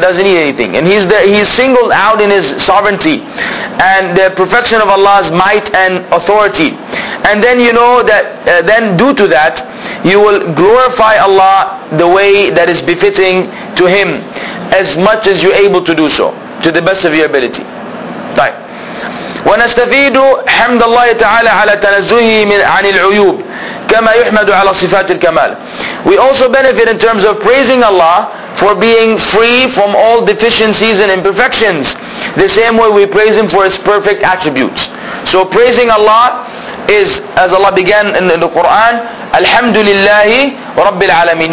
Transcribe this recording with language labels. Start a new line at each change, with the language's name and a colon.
English: He doesn't need anything and he's singled out in his sovereignty and the perfection of Allah's might and authority. And then you know that then due to that you will glorify Allah the way that is befitting to him as much as you're able to do so to the best of your ability. Right.
Arabic: ونستفيد حمد الله تعالى على تنزهه من عن العيوب كما يحمد على صفات الكمال.
English: We also benefit in terms of praising Allah for being free from all deficiencies and imperfections, the same way we praise him for his perfect attributes. So praising Allah is, as Allah began in the Quran, Alhamdulillahi Rabbil Alameen.